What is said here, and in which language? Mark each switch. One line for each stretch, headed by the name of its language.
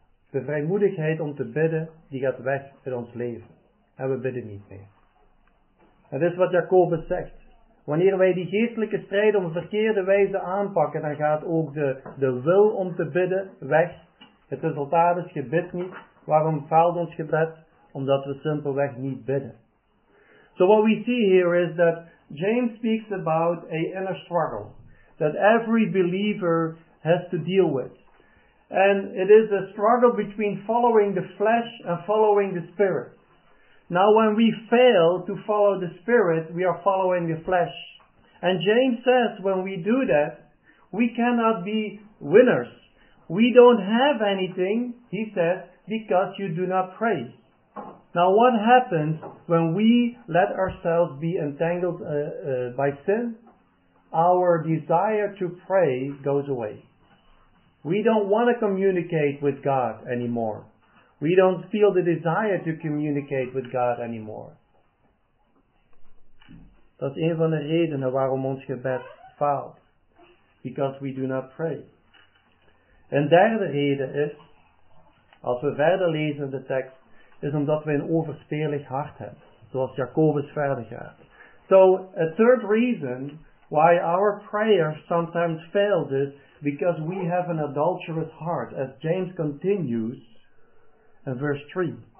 Dutch: De vrijmoedigheid om te bidden, die gaat weg uit ons leven. En we bidden niet meer. En dat is wat Jacobus zegt. Wanneer wij die geestelijke strijd op een verkeerde wijze aanpakken, dan gaat ook de wil om te bidden weg. Het resultaat is, je bidt niet. Waarom faalt ons gebed? Omdat we simpelweg niet bidden.
English: So what we see here is that James speaks about a inner struggle that every believer has to deal with. And it is a struggle between following the flesh and following the spirit. Now when we fail to follow the spirit, we are following the flesh. And James says when we do that, we cannot be winners. We don't have anything, he says, because you do not pray. Now what happens when we let ourselves be entangled by sin? Our desire to pray goes away. We don't want to communicate with God anymore. We don't feel the desire to communicate with God anymore.
Dutch: Dat is een van de redenen waarom ons gebed faalt.
English: Because we do not pray.
Dutch: Een derde reden is, als we verder lezen in de tekst, is omdat we een overspelig hart hebben. Zoals Jacobus verder gaat.
English: So, a third reason why our prayer sometimes fails is because we have an adulterous heart, as James continues in verse 3.